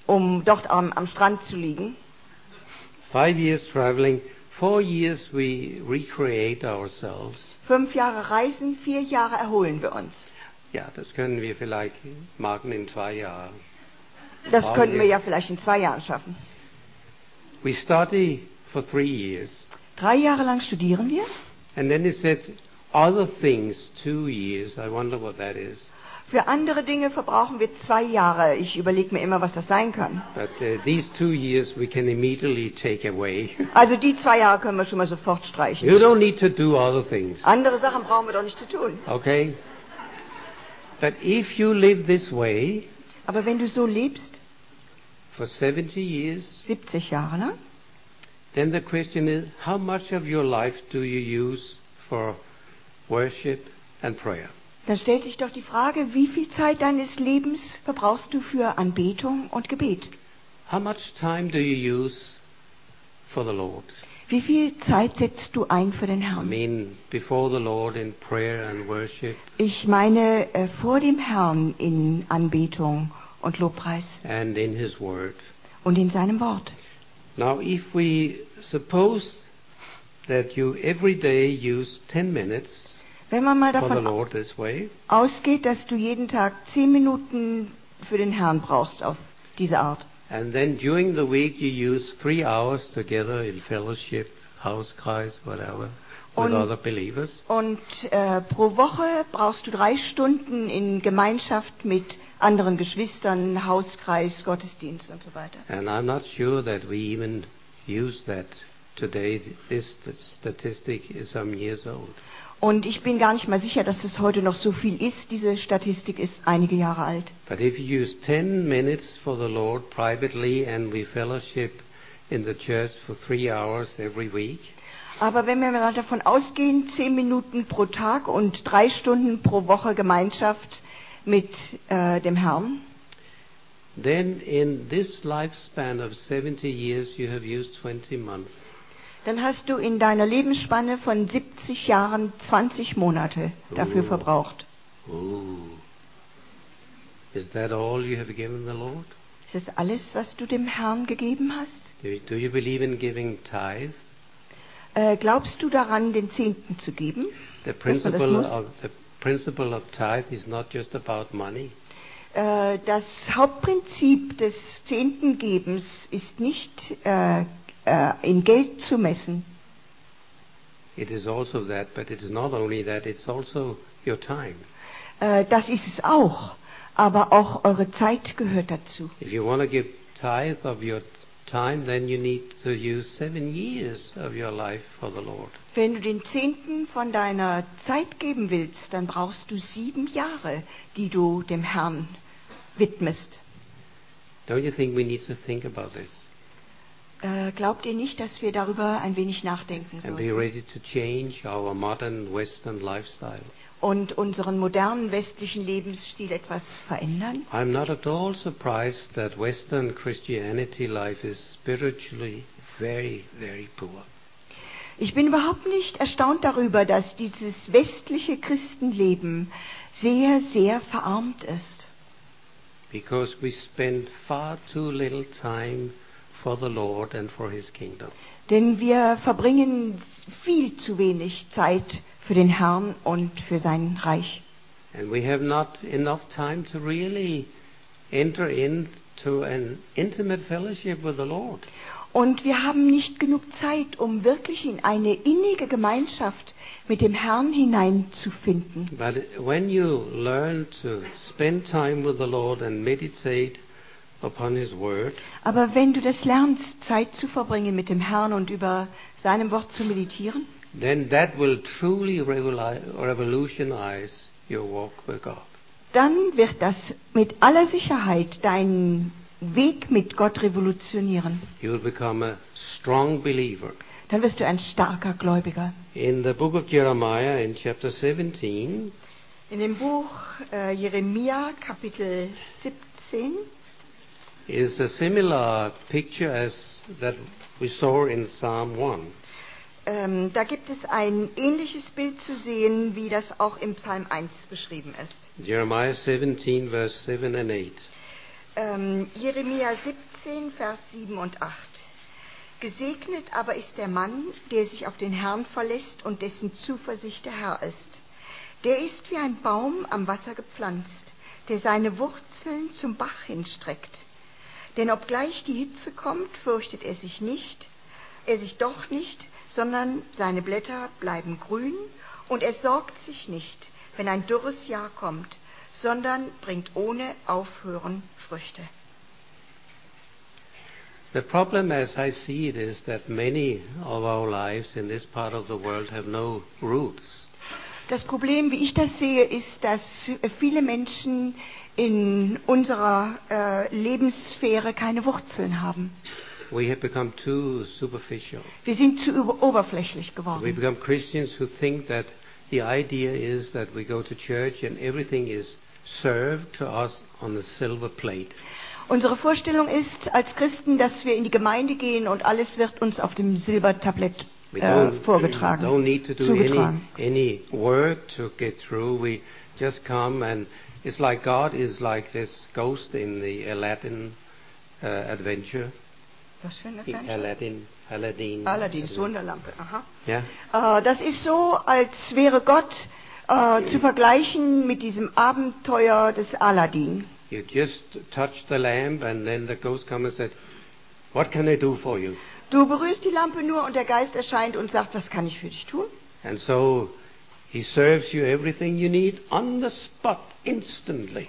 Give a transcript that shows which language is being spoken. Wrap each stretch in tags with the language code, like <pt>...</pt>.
<de>Um dort am Strand zu liegen.</de> <en>5 years traveling. 4 years we recreate ourselves.</en> <de>5 Jahre reisen, 4 Jahre erholen wir uns. Ja, das können wir vielleicht machen in 2 Jahren. Das könnten wir ja vielleicht in 2 Jahren schaffen.</de> <en>We study for 3 years.</en> <de>3 Jahre lang studieren wir.</de> <en>And then it says other things 2 years. I wonder what that is.</en> <de>Für andere Dinge verbrauchen wir 2 Jahre. Ich überlege mir immer, was das sein kann.</de> <en>But, these 2 years we can immediately take away.</en> <de>Also die 2 Jahre können wir schon mal sofort streichen.</de> <en>You don't need to do other things.</en> <de>Andere Sachen brauchen wir doch nicht zu tun.</de> <en>Okay. But if you live this way,</en> <de>aber wenn du so lebst,</de> <en>for 70 years,</en> <de>70 Jahre lang,</de> <en>then the question is, how much of your life do you use for worship and prayer?</en> <de>Dann stellt sich doch die Frage, wie viel Zeit deines Lebens verbrauchst du für Anbetung und Gebet?</de> <en>How much time do you use for the Lord?</en> <de>Wie viel Zeit setzt du ein für den Herrn?</de> <en>I mean, before the Lord in prayer and worship.</en> <de>Ich meine vor dem Herrn in Anbetung und Lobpreis.</de> <en>And in his word.</en> <de>Und in seinem Wort.</de> <en>Now if we suppose that you every day use 10 minutes.</en> <de>Wenn man mal davon</de> <en>way,</en> <de>ausgeht, dass du jeden Tag 10 Minuten für den Herrn brauchst auf diese Art.</de> <en>And then during the week you use 3 hours together in fellowship, Hauskreis, whatever,</en> <de>und,</de> <en>with other believers.</en> <de>Und pro Woche brauchst du 3 Stunden in Gemeinschaft mit anderen Geschwistern, Hauskreis, Gottesdienst und so weiter.</de> <en>And I'm not sure that we even use that today. This statistic is some years old.</en> <de>Und ich bin gar nicht mal sicher, dass es heute noch so viel ist. Diese Statistik ist einige Jahre alt.</de> <en>But if you use 10 minutes for the Lord privately and we fellowship in the church for 3 hours every week.</en> <de>Aber wenn wir mal davon ausgehen, 10 Minuten pro Tag und 3 Stunden pro Woche Gemeinschaft mit dem Herrn.</de> <en>Then in this lifespan of 70 years you have used 20 months.</en> <de>Dann hast du in deiner Lebensspanne von 70 Jahren 20 Monate dafür verbraucht.</de> <en>Is that all you have given the Lord?</en> <de>Ist das alles, was du dem Herrn gegeben hast?</de> <en>Do you believe in giving tithe?</en> <de>Glaubst du daran, den Zehnten zu geben?</de> <en>The principle of tithe is not just about money.</en> <de>Das Hauptprinzip des Zehntengebens ist nicht in Geld zu messen.</de> <en>It is also that, but it is not only that, it's also your time.</en> <de>Das ist es auch, aber auch eure Zeit gehört dazu.</de> <en>If you want to give tithe of your time, then you need to use 7 years of your life for the Lord.</en> <de>Wenn du den Zehnten von deiner Zeit geben willst, dann brauchst du 7 Jahre, die du dem Herrn widmest.</de> <en>Don't you think we need to think about this?</en> <de>Glaubt ihr nicht, dass wir darüber ein wenig nachdenken sollten?</de> <en>And be ready to change our modern Western lifestyle.</en> <de>Und unseren modernen westlichen Lebensstil etwas verändern?</de> <en>I'm not at all surprised that Western Christianity life is spiritually very, very poor.</en> <de>Ich bin überhaupt nicht erstaunt darüber, dass dieses westliche Christenleben sehr, sehr verarmt ist.</de> <en>Because we spend far too little time for the Lord and for his kingdom.</en> <de>Denn wir verbringen viel zu wenig Zeit für den Herrn und für sein Reich.</de> <en>And we have not enough time to really enter into an intimate fellowship with the Lord.</en> <de>Und wir haben nicht genug Zeit, um wirklich in eine innige Gemeinschaft mit dem Herrn hineinzufinden.</de> <en>But when you learn to spend time with the Lord and meditate upon his word,</en> <de>aber wenn du das lernst, Zeit zu verbringen mit dem Herrn und über seinem Wort zu meditieren,</de> <en>then that will truly revolutionize your walk with God.</en> <de>Dann wird das mit aller Sicherheit deinen Weg mit Gott revolutionieren.</de> <en>You will become a strong believer.</en> <de>Dann wirst du ein starker Gläubiger.</de> <en>In the book of Jeremiah in chapter 17,</en> <de>in dem Buch Jeremia Kapitel 17</de> <en>is a similar picture as that we saw in Psalm 1.</en> <de>Da gibt es ein ähnliches Bild zu sehen, wie das auch im Psalm 1 beschrieben ist.</de> <en>Jeremiah 17, verse 7 and 8.</en> <de>Jeremia 17, Vers 7 und 8. Gesegnet aber ist der Mann, der sich auf den Herrn verlässt und dessen Zuversicht der Herr ist. Der ist wie ein Baum am Wasser gepflanzt, der seine Wurzeln zum Bach hinstreckt. Denn obgleich die Hitze kommt, fürchtet er sich nicht, er sich doch nicht, sondern seine Blätter bleiben grün und er sorgt sich nicht, wenn ein dürres Jahr kommt, sondern bringt ohne Aufhören Früchte.</de> <en>The problem as I see it is that many of our lives in this part of the world have no roots.</en> <de>Das Problem, wie ich das sehe, ist, dass viele Menschen in unserer Lebenssphäre keine Wurzeln haben.</de> <en>We have become too superficial.</en> <de>Wir sind zu oberflächlich geworden.</de> <en>We become Christians who think that the idea is that we go to church and everything is served to us on a silver plate.</en> <de>Unsere Vorstellung ist als Christen, dass wir in die Gemeinde gehen und alles wird uns auf dem Silbertablett vorgetragen.</de> <en>We don't need to do any work to get through. We just come and it's like God is like this ghost in the Aladdin adventure.</en> <de>Was für eine Adventure? Aladdin. Aladdin's Wunderlampe. Aha.</de> <en>Yeah.</en> <de>Das ist so, als wäre Gott zu vergleichen mit diesem Abenteuer des Aladdin.</de> <en>You just touch the lamp and then the ghost comes and said, "What can I do for you?"</en> <de>Du berührst die Lampe nur und der Geist erscheint und sagt, was kann ich für dich tun?</de> <en>And so he serves you everything you need on the spot, instantly.</en>